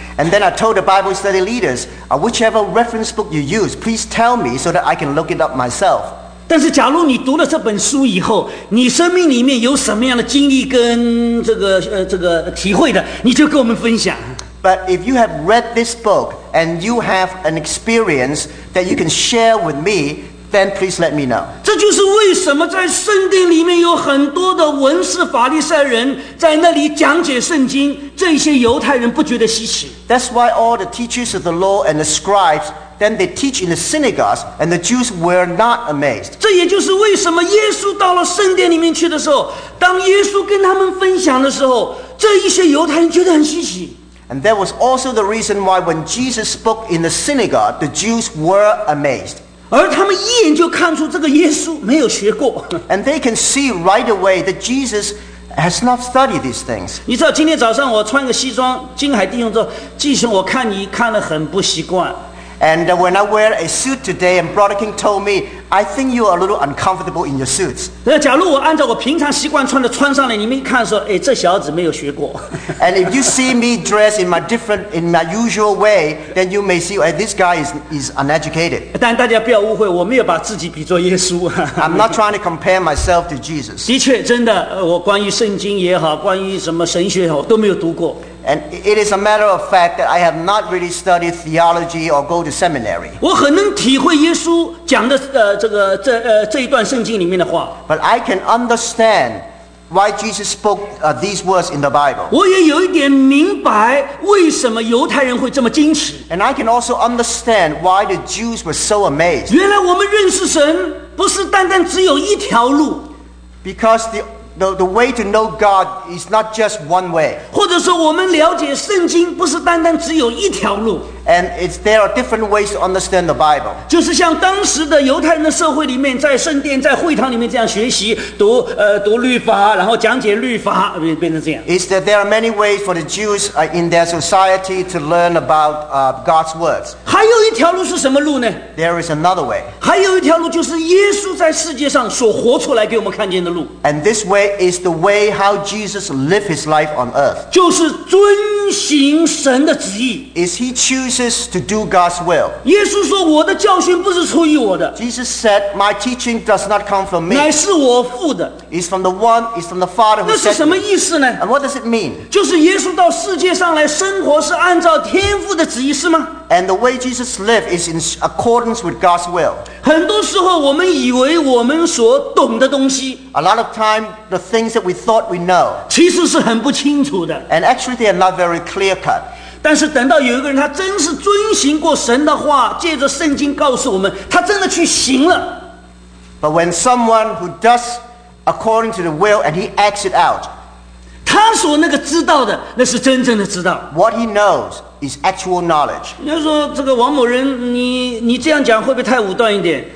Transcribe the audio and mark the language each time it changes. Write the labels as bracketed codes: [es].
[en] And then I told the Bible study leaders, whichever reference book you use, please tell me so that I can look it up myself. [zh] 但是假如你读了这本书以后你生命里面有什么样的经历跟这个体会的你就跟我们分享 [en] But if you have read this book and you have an experience that you can share with me then please let me know. [zh] 这就是为什么在圣殿里面有很多的文士、法利赛人在那里讲解圣经，这些犹太人不觉得稀奇。 [en] That's why all the teachers of the law and the scribes, then they teach in the synagogues, and the Jews were not amazed. [zh] 这也就是为什么耶稣到了圣殿里面去的时候，当耶稣跟他们分享的时候，这一些犹太人觉得很稀奇。 [en] And that was also the reason why when Jesus spoke in the synagogue, the Jews were amazed. [zh] 而他们一眼就看出这个耶稣没有学过。 [en] And they can see right away that Jesus has not studied these things. [zh] 你知道今天早上我穿个西装，金海弟兄说，弟兄我看你看得很不习惯。 [en] And when I wear a suit today, and Brother King told me, I think you are a little uncomfortable in your suits. [zh] 那假如我按照我平常习惯穿的穿上来，你们一看说，哎，这小子没有学过。 [en] And if you see me dressed in my usual way, then you may see, hey, this guy is uneducated. [zh] 但大家不要误会，我没有把自己比作耶稣。 [en] I'm not trying to compare myself to Jesus. [zh] 的确，真的，我关于圣经也好，关于什么神学也好，都没有读过。 [en] And it is a matter of fact that I have not really studied theology or go to seminary. [zh] 我很能体会耶稣讲的这一段圣经里面的话。 [en] But I can understand why Jesus spoke these words in the Bible. [zh] 我也有一点明白为什么犹太人会这么惊奇。 [en] And I can also understand why the Jews were so amazed. [zh] 原来我们认识神不是单单只有一条路。 [en] Because the way to know God is not just one way. [zh] 或者说我们了解圣经不是单单只有一条路。 [en] And there are different ways to understand the Bible. [zh] 就是像当时的犹太人的社会里面，在圣殿、在会堂里面这样学习读律法，然后讲解律法，变成这样。 [en] Is that there are many ways for the Jews in their society to learn about God's words? [zh] 还有一条路是什么路呢 [en] ？There is another way. [zh] 还有一条路就是耶稣在世界上所活出来给我们看见的路。 [en] And this way is the way how Jesus lived his life on earth. [zh] 就是遵行神的旨意。 [en] Is he chooses to do God's will. [zh] 耶稣说我的教训不是出于我的。 [en] Jesus said, my teaching does not come from me. [zh] 乃是我父的。 [en] It's from the Father who sent me. [zh] 那是什么意思呢？ [en] And what does it mean? [zh] 就是耶稣到世界上来生活是按照天父的旨意是吗？ [en] And the way Jesus lived is in accordance with God's will. [zh] 很多时候我们以为我们所懂的东西， [en] A lot of time, the things that we thought we know. [zh] 其实是很不清楚的。 [en] And actually they are not very clear cut. [zh] 但是等到有一个人他真是遵行过神的话，借着圣经告诉我们，他真的去行了。 [en] But when someone who does according to the will and he acts it out, [zh] 他所那个知道的，那是真正的知道。 [en] What he knows is actual knowledge. [zh] 你说这个王某人，你这样讲会不会太武断一点？